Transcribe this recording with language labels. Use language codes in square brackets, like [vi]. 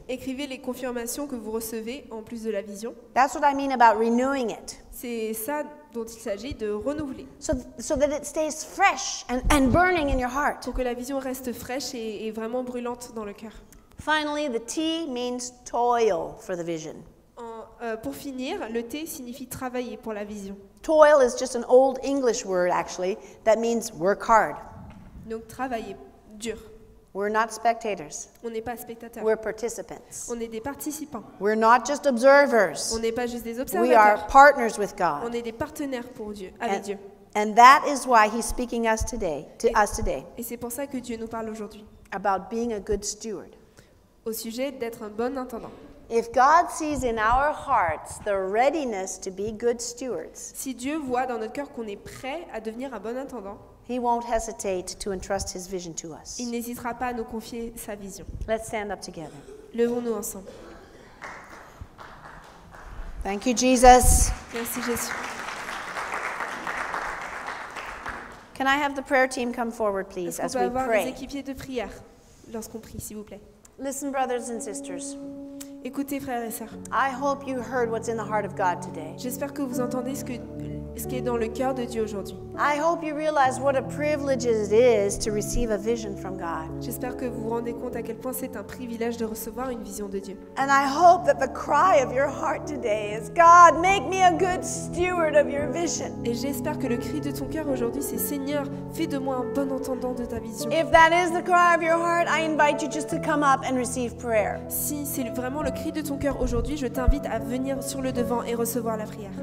[fr] Écrivez les confirmations que vous recevez en plus de la vision. [en] That's what I mean about renewing it. [fr] C'est ça dont il s'agit de renouveler. [en] So that it stays fresh and burning in your heart. [fr] Pour que la vision reste fraîche et vraiment brûlante dans le cœur. [en] Finally, the T means toil for the vision. [fr] Pour finir, le T signifie travailler pour la vision. [en] Toil is just an old English word, actually, that means work hard. [fr] Donc travailler dur. [en] We're not spectators. [fr] On n'est pas spectateurs. [en] We're participants. [fr] On est des participants. [en] We're not just observers. [fr] On n'est pas juste des observateurs. [en] We are partners with God. [fr] On est des partenaires pour Dieu, avec Dieu. [en] And that is why He's speaking us today, to us today. [fr] Et c'est pour ça que Dieu nous parle aujourd'hui. [en] About being a good steward. [fr] Au sujet d'être un bon intendant. [en] If God sees in our hearts the readiness to be good stewards, [fr] si Dieu voit dans notre cœur qu'on est prêt à devenir un bon intendant, [en] He won't hesitate to entrust His vision to us. [fr] Il n'hésitera pas à nous confier sa vision. [en] Let's stand up together. [fr] Levons-nous ensemble. [en] Thank you, Jesus. [fr] Merci, Jésus. [en] Can I have the prayer team come forward, please, as we pray? [fr] Est-ce qu'on peut avoir les équipiers de prière lorsqu'on prie, s'il vous plaît? [en] Listen, brothers and sisters. [fr] Écoutez, frères et sœurs. [en] I hope you heard what's in the heart of God today. [fr] J'espère que vous entendez ce qui est dans le cœur de Dieu aujourd'hui. [en] I hope you realize what a privilege it is to receive a vision from God. [fr] J'espère que vous vous rendez compte à quel point c'est un privilège de recevoir une vision de Dieu. [en] And I hope that the cry of your heart today is, God, make me a good steward of your vision. [fr] Et j'espère que le cri de ton cœur aujourd'hui c'est, Seigneur, fais de moi un bon entendant de ta vision. [en] If that is the cry of your heart, I invite you just to come up and receive prayer. [fr] Si c'est vraiment le cri de ton cœur aujourd'hui, je t'invite à venir sur le devant et recevoir la prière.